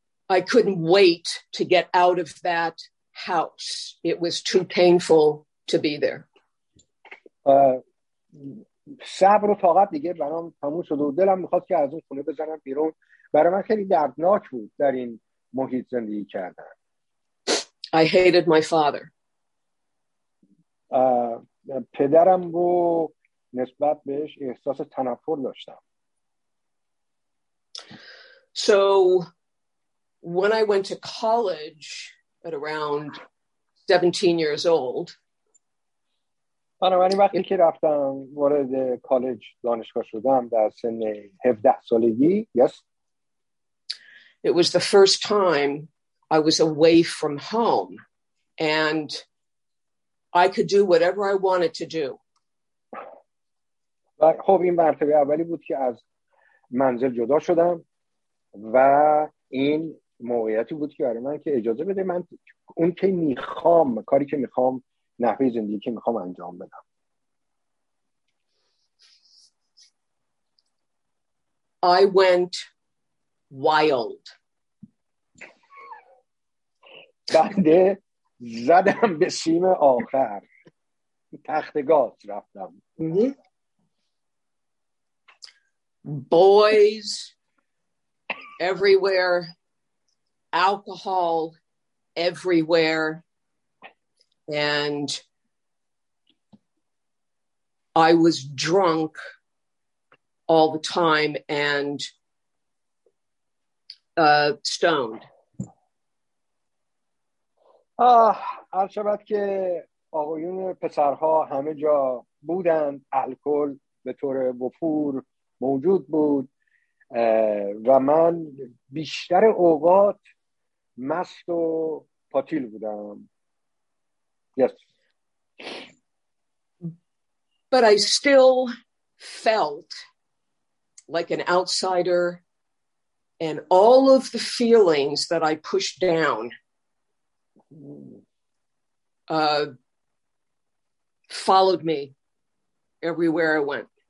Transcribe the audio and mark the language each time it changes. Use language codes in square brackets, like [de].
[en] I couldn't wait to get out of that house. It was too painful to be there. [fa] صبر و طاقت دیگه برام تموم شد و دلم می‌خواست که از اون خونه بزنم بیرون. برای من خیلی دردناک بود در این محیط زندگی کردن. [en] I hated my father. [fa] پدرم رو نسبت بهش احساس تنفر داشتم. [en] So when I went to college at around 17 years old. [fa] بنابراین وقتی که رفتم وارد کالج دانشگاه شدم در سن 17 سالگی، [en] yes. It was the first time I was away from home and I could do whatever I wanted to do. [fa] خب این مرتبه اولی بود که از منزل جدا شدم و این موقعیتی بود که برای من که اجازه بده من اون که میخوام، کاری که میخوام، نحوه زندگی که میخوام انجام بدم. [en] I went wild. [fa] بنده زدم به سیم آخر، تخت گاز رفتم. [en] Boys everywhere, alcohol everywhere, and I was drunk all the time and stoned. [fa] عرض شد که آقایون پسرها همه جا بودند، الکل به طور وفور موجود بود و من بیشتر اوقات مست و پاتیل بودم. [en] Yes. But I still felt like an outsider and all of the feelings that I pushed down followed me everywhere I went.